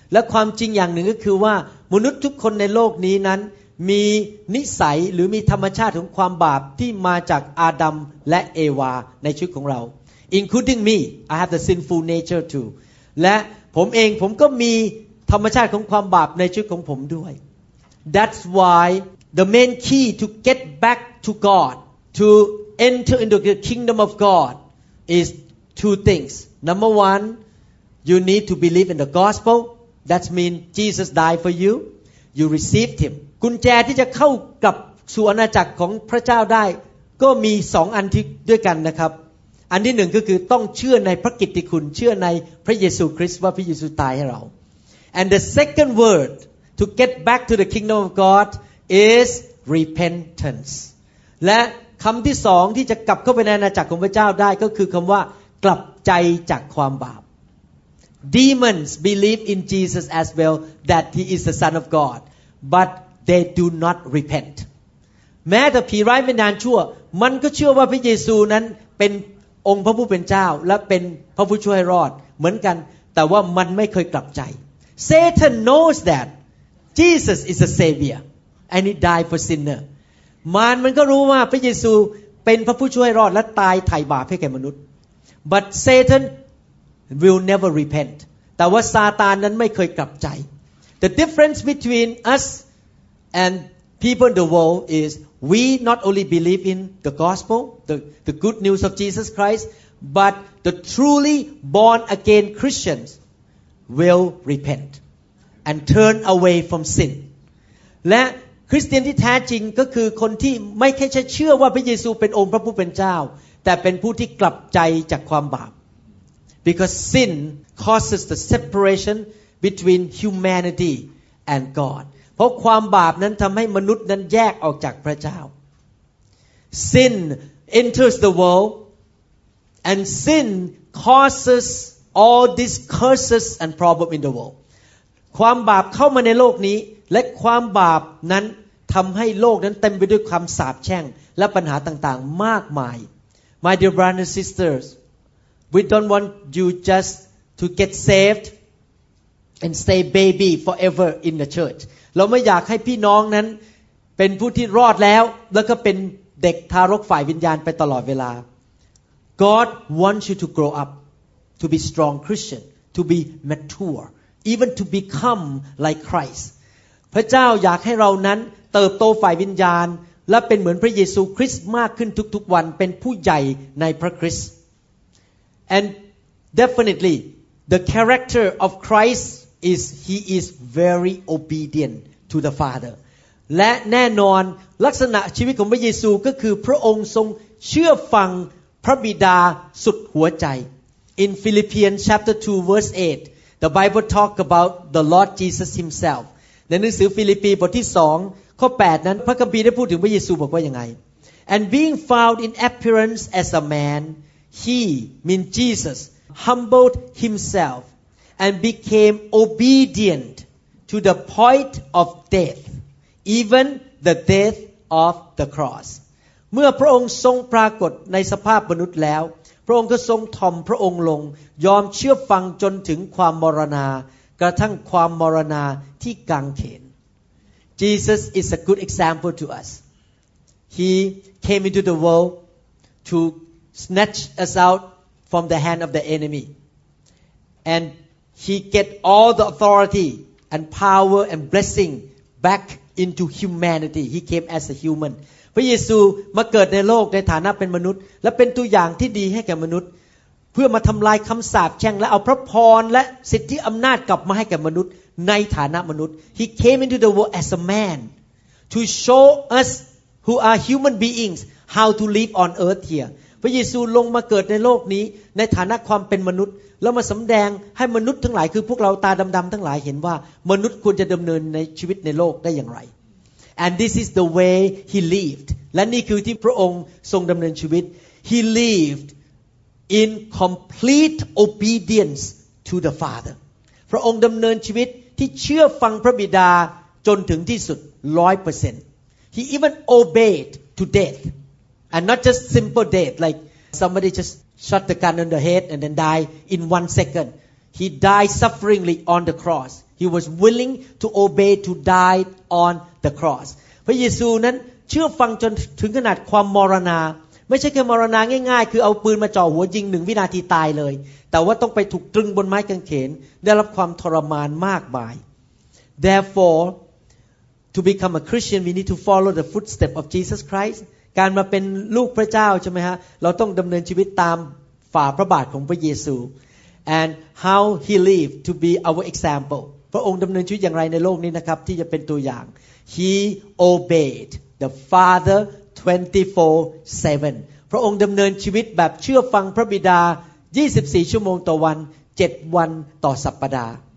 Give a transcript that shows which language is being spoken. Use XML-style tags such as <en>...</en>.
<th>และความจริงอย่างหนึ่งก็คือว่ามนุษย์ทุกคนในโลกนี้นั้นมีนิสัยหรือมีธรรมชาติของความบาปที่มาจากอาดัมและเอวาในชีวิตของเรา</th> <en>including me I have the sinful nature too</en> <th>และผมเองผมก็มีธรรมชาติของความบาปในชีวิตของผมด้วย</th> <en>That's why the main key to get back to God to enter into the kingdom of God is two things number one you need to believe in the gospel that means Jesus died for you you received him</en> <th>กุญแจที่จะเข้ากับสู่อาณาจักรของพระเจ้าได้ก็มี2อันที่ด้วยกันนะครับอันที่1ก็คือต้องเชื่อในพระกิตติคุณเชื่อในพระเยซูคริสต์ว่าพระเยซูตายให้เรา</th> <en>And the second word to get back to the kingdom of God is repentance</en> <th>และคำที่2ที่จะกลับเข้าไปในอาณาจักรของพระเจ้าได้ก็คือคำว่ากลับใจจากความบาป</th> <en>Demons believe in Jesus as well that he is the son of God butThey do not repent.</en> <th>แม้แต่ผีร้ายวิญญาณชั่วมันก็เชื่อว่าพระเยซูนั้นเป็นองค์พระผู้เป็นเจ้าและเป็นพระผู้ช่วยรอดเหมือนกันแต่ว่ามันไม่เคยกลับใจ</th> <en>Satan knows that Jesus is a savior and he died for sinner.</en> <th>มันก็รู้ว่าพระเยซูเป็นพระผู้ช่วยรอดและตายไถ่บาปให้แก่มนุษย์</th> <en>But Satan will never repent.</en> <th>แต่ว่าซาตานนั้นไม่เคยกลับใจ</th> <en>The difference between usAnd people in the world is we not only believe in the gospel, the good news of Jesus Christ, but the truly born again Christians will repent and turn away from sin.</en> <th>และคริสเตียนที่แท้จริงก็คือคนที่ไม่แค่จะเชื่อว่าพระเยซูเป็นองค์พระผู้เป็นเจ้าแต่เป็นผู้ที่กลับใจจากความบาป</th> <en>because sin causes the separation between humanity and God.</en> <th>เพราะความบาปนั้นทำให้มนุษย์นั้นแยกออกจากพระเจ้า</th> <en>Sin enters the world and sin causes all these curses and problems in the world</en> <th>ความบาปเข้ามาในโลกนี้และความบาปนั้นทำให้โลกนั้นเต็มไปด้วยความสาปแช่งและปัญหาต่างๆมากมาย</th> <en>My dear brothers and sisters we don't want you just to get saved and stay baby forever in the church</en> <th>เราไม่อยากให้พี่น้องนั้นเป็นผู้ที่รอดแล้วแล้วก็เป็นเด็กทารกฝ่ายวิญญาณไปตลอดเวลา</th> <en>God wants you to grow up to be strong Christian to be mature even to become like Christ</en> <th>พระเจ้าอยากให้เรานั้นเติบโตฝ่ายวิญญาณและเป็นเหมือนพระเยซูคริสต์มากขึ้นทุกๆวันเป็นผู้ใหญ่ในพระคริสต์</th> <en>And definitely the character of Christ is he is very obedient to the Father.</en> <th>และแน่นอนลักษณะชีวิตของพระเยซูก็คือพระองค์ทรงเชื่อฟังพระบิดาสุดหัวใจ</th> <en>In Philippians chapter 2 verse 8 the Bible talk about the Lord Jesus himself.</en> <th>ในหนังสือฟิลิปปีบทที่2ข้อ8นั้นพระคัมภีร์ได้พูดถึงพระเยซูบอกว่ายังไง</th> <en>And being found in appearance as a man, he, meaning Jesus, humbled himself and became obedient to the point of death, even the death of the cross.</en> <th>เมื่อพระองค์ทรงปรากฏในสภาพมนุษย์แล้วพระองค์ก็ทรงถ่อมพระองค์ลงยอมเชื่อฟังจนถึงความมรณากระทั่งความมรณาที่กางเขน</th> <en>Jesus is a good example to us. He came into the world to snatch us out from the hand of the enemy. And he get all the authority and power and blessing back into humanity. He came as a human.</en> <th>พระเยซูมาเกิดในโลกในฐานะเป็นมนุษย์และเป็นตัวอย่างที่ดีให้แก่มนุษย์เพื่อมาทำลายคำสาปแช่งและเอาพระพรและสิทธิอำนาจกลับมาให้แก่มนุษย์ในฐานะมนุษย์</th> <en>He came into the world as a man to show us who are human beings how to live on earth here</en> <th>พระเยซูลงมาเกิดในโลกนี้ในฐานะความเป็นมนุษย์แล้วมาสำแดงให้มนุษย์ทั้งหลายคือพวกเราตาดำๆทั้งหลายเห็นว่ามนุษย์ควรจะดำเนินในชีวิตในโลกได้อย่างไร</th> <en>And this is the way he lived</en> <th>และนี่คือที่พระองค์ทรงดำเนินชีวิต</th> <en>He livedIn complete obedience to the Father,</en> <th>พระองค์ดำเนินชีวิตที่เชื่อฟังพระบิดาจนถึงที่สุด</th> <en>100% He even obeyed to death, and not just simple death like somebody just shot the gun on the head and then die in 1 second. He died sufferingly on the cross. He was willing to obey to die on the cross.</en> <th>พระเยซูนั้นเชื่อฟังจนถึงขนาดความมรณาไม่ใช่แค่มรณาง่ายๆคือเอาปืนมาจ่อหัวยิง1วินาทีตายเลยแต่ว่าต้องไปถูกตรึงบนไม้กางเขนได้รับความทรมานมากมาย</th> <en>Therefore to become a Christian we need to follow the footsteps of Jesus Christ</en> <th>การมาเป็นลูกพระเจ้าใช่มั้ยฮะเราต้องดำเนินชีวิตตามฝ่าพระบาทของพระเยซู</th> <en>And how he lived to be our example</en> <th>พระองค์ดำเนินชีวิตอย่างไรในโลกนี้นะครับที่จะเป็นตัวอย่าง</th> <en>He obeyed the Father 24/7</en> <th>พระองค์ดำเนินชีวิตแบบเชื่อฟังพระบิดา24ชั่วโมงต่อวัน7วันต่อสัปดาห์</th>